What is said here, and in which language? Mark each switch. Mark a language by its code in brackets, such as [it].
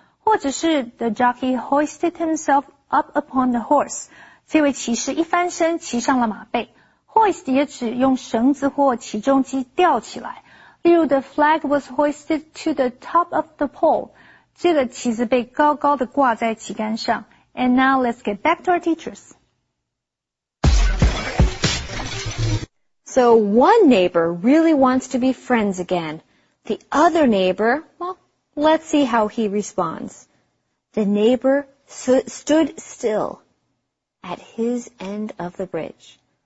[zh] 或者是 [en] the jockey hoisted himself up upon the horse. [zh] 这位骑士一翻身骑上了马背。 Hoist 也指用绳子或起重机吊起来。例如 [en] ,the flag was hoisted to the top of the pole. [zh] 这个旗子被高高的挂在旗杆上。 [en] And now let's get back to our teachers. So one neighbor really wants to be friends again. The other neighbor, well, let's see how he responds. The neighbor stood still at his end of the bridge.